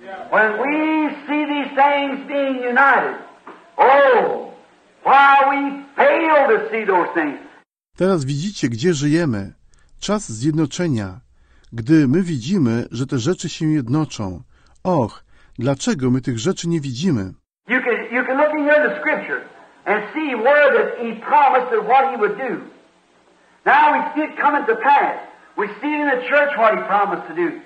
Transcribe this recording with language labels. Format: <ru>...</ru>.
<en>When we see these things being united, oh, why we fail to see those things.</en> <pl>Teraz widzicie, gdzie żyjemy. Czas zjednoczenia. Gdy my widzimy, że te rzeczy się jednoczą. Och, dlaczego my tych rzeczy nie widzimy?</pl> <en>You can look in the scripture and see where that he promised and what he would do. Now we see it coming to pass. We see it in the church what he promised to do.</en>